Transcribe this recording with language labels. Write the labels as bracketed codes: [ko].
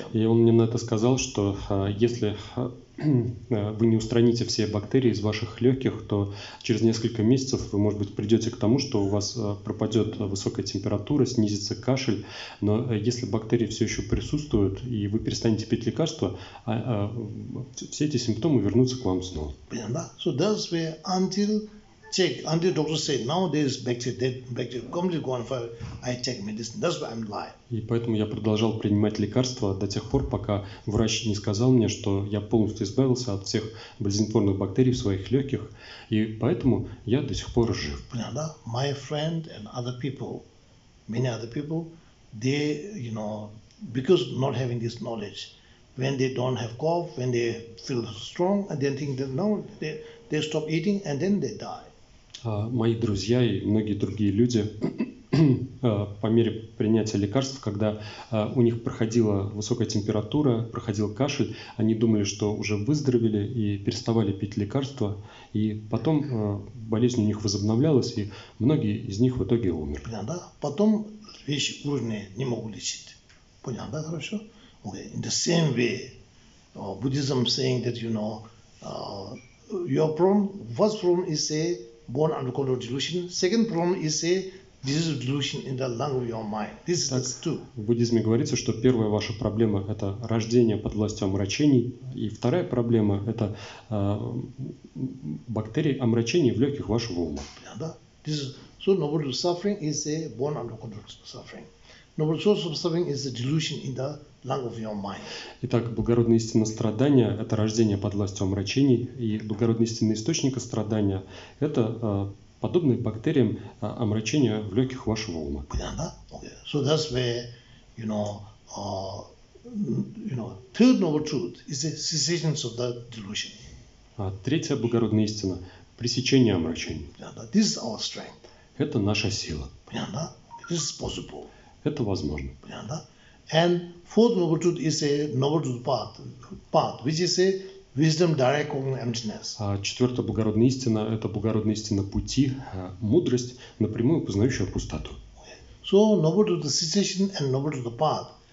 [ru] И он мне на это сказал, что если вы не устраните все бактерии из ваших легких, то через несколько месяцев вы, может быть, придете к тому, что у вас пропадет высокая температура, снизится кашель. Но если бактерии все еще присутствуют, и вы перестанете пить лекарства, все эти симптомы вернутся к вам снова. Понятно? [en] So that's where until... Check, and the doctor said, nowadays bacteria, dead bacteria, completely gone for I take medicine. That's why I'm lying. [ru] И поэтому я продолжал принимать лекарства до тех пор, пока врач не сказал мне, что я полностью избавился от всех болезнетворных бактерий в своих легких, и поэтому я до сих пор жив. Понятно, да? [en] My friend and other people, many other people, they, you know, because not having this knowledge, when they don't have cough, when they feel strong, and then think that now they stop eating, and then they die. [ru] Мои друзья и многие другие люди по мере принятия лекарств, когда у них проходила высокая температура, проходил кашель, они думали, что уже выздоровели и переставали пить лекарства, и потом болезнь у них возобновлялась, и многие из них в итоге умерли. Понятно, да? Потом вещи уровня не могут лечить. Понятно, да? Хорошо? Okay. [en] In the same way, Buddhism saying that, you know, your problem, first problem is a born under control delusion. Second problem is a disease delusion in the lung of your mind. This [ru] так, [en] is two. [ru] В буддизме говорится, что первая ваша проблема – это рождение под властью омрачений. И вторая проблема – это бактерии омрачений в легких вашего ума. [en] Yeah, [ru] да? [en] This is, so noble suffering is a born under control suffering. Noble source of suffering is a delusion in the lung of your mind. [ru] Итак, благородная истина страдания – это рождение под властью омрачений, и благородный истинный источник страдания – это подобные бактериям омрачение в легких вашего ума. Понятно? [en] So that's where, third noble truth is the cessation of that delusion. [ru] Третья благородная истина – пресечение омрачений. [en] This is our strength. [ru] Это наша сила. Понятно? [en] This is possible. [ru] Это возможно. Понятно? [en] And fourth noble truth is a noble truth path, which is a wisdom direct on emptiness. [ru] Четвертая благородная истина – это благородная истина пути, мудрость, напрямую познающая пустоту. [en] So noble truth is cessation and noble truth path.